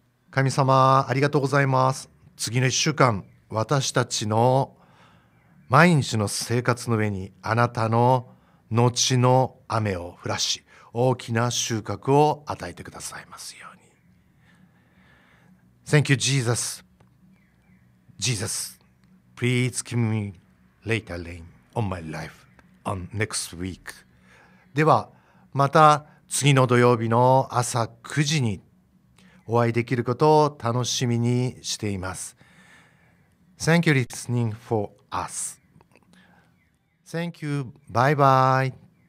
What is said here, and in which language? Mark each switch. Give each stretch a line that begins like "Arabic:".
Japanese: 神様ありがとうございます。次の1週間私たちの毎日の生活の上にあなたの後の雨を降らし大きな収穫を与えてくださいますように。
English: Thank you Jesus. Jesus, please give me later rain on my life on next week.
Japanese: ではまた次の土曜日の朝9時にお会いできることを楽しみにしています。
English: Thank you listening for us. Thank you. Bye bye.